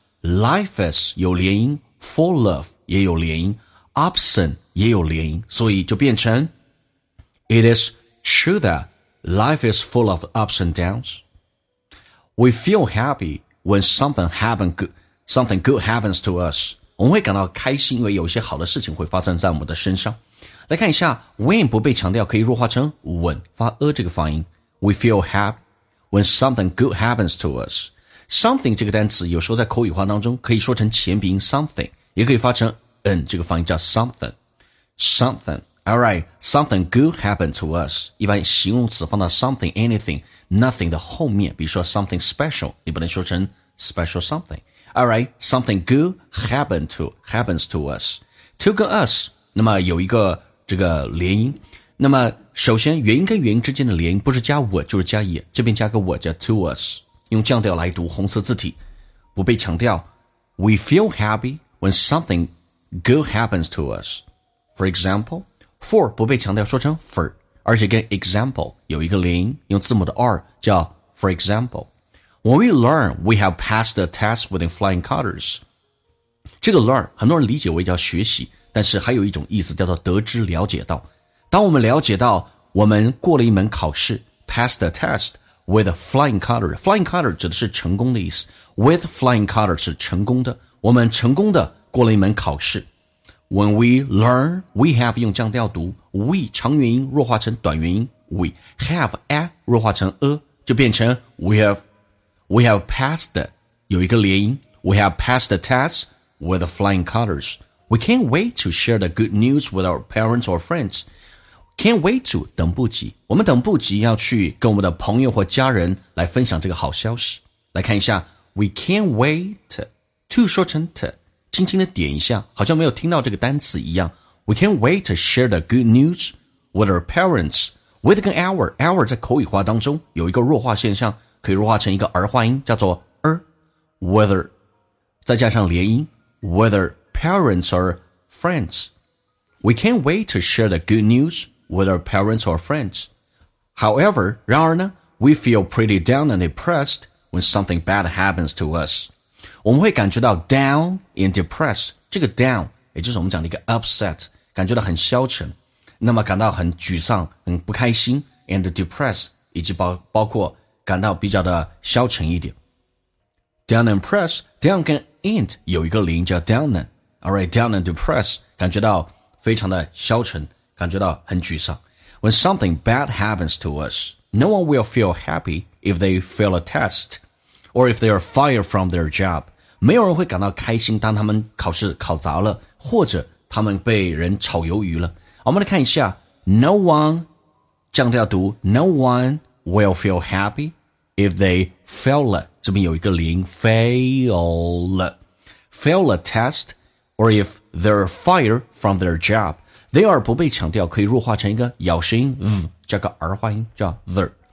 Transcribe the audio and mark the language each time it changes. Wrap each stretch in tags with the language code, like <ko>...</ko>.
<en>Life is</en> <zh>有连音，</zh> <en>full of</en> <zh>也有连音，</zh> <en>absent</en> <zh>也有连音，所以就变成</zh> <en>It is true thatLife is full of ups and downs. We feel happy when something good happens to us.</en> <zh>我们会感到开心，因为有些好的事情会发生在我们的身上。来看一下 ,when 不被强调可以弱化成 when, 发 a 这个发音。</zh> <en>We feel happy when something good happens to us.</en> <zh>Something 这个单词有时候在口语化当中可以说成前鼻音 something, 也可以发成 n 这个发音叫 something. Something.</zh> <en>Alright, something good happened to us.</en> <zh>一般形容词放到 something, anything, nothing 的后面，比如说 something special, 你不能说成 special something.</zh> <en>Alright, something good happens to us.</en> <zh>To 跟 us, 那么有一个这个连音。那么首先元音跟元音之间的连音不是加 我, 就是加也。这边加个我叫 to us, 用降调来读红色字体。不被强调。</zh> <en>We feel happy when something good happens to us. For example,</en> <zh>for 不被强调说成 for, 而且跟 example 有一个连音，用字母的 r 叫 for example.</zh> <en>When we learn, we have passed the test with flying colors.</en> <zh>这个 learn 很多人理解为叫学习，但是还有一种意思叫做得知了解到。当我们了解到我们过了一门考试 ,</zh> <en>passed the test with flying colors.</en> <zh>Flying color 指的是成功的意思。With flying colors 是成功的，我们成功的过了一门考试。</zh> <en>When we learn, we have</en> <zh>用降调读</zh> <en>we</en> <zh>长元音弱化成短元音</zh> <en>we have a</en> <zh>弱化成</zh> <en>a</en> <zh>就变成</zh> <en>we have passed</en> <zh>有一个连音</zh> <en>we have passed the test with the flying colors. We can't wait to share the good news with our parents or friends.</en> <zh>Can't wait to 等不及，我们等不及要去跟我们的朋友或家人来分享这个好消息。来看一下 we can't wait to 说成 to。轻轻的点一下，好像没有听到这个单词一样。</zh> <en>We can't wait to share the good news with our parents.</en> <zh>With 跟 our, our 在口语化当中有一个弱化现象，可以弱化成一个儿化音，叫做 er.</zh> <en>Whether,</en> <zh>再加上连音</zh> <en>with our parents or friends. We can't wait to share the good news with our parents or friends. However,</en> <zh>然而呢</zh> <en>we feel pretty down and depressed when something bad happens to us.</en> <zh>我们会感觉到 down and depressed, 这个 down, 也就是我们讲的一个 upset, 感觉到很消沉，那么感到很沮丧，很不开心 and depressed, 以及包括感到比较的消沉一点。 down and depressed, down 跟 and 有一个连音叫 down and, alright, down and depressed, 感觉到非常的消沉，感觉到很沮丧。</zh> <en>When something bad happens to us, no one will feel happy if they fail a test,or if they are fired from their job.</en> <zh>没有人会感到开心当他们考试考砸了，或者他们被人炒鱿鱼了。我们来看一下</zh> <en>No one,</en> <zh>降调读</zh> <en>No one will feel happy if they fail a,</en> <zh>这边有一个连</zh> <en>fail a, fail a test, or if they are fired from their job.</en> <zh>They are 不被强调可以弱化成一个咬舌音 v, 加个儿化音叫 the.</zh>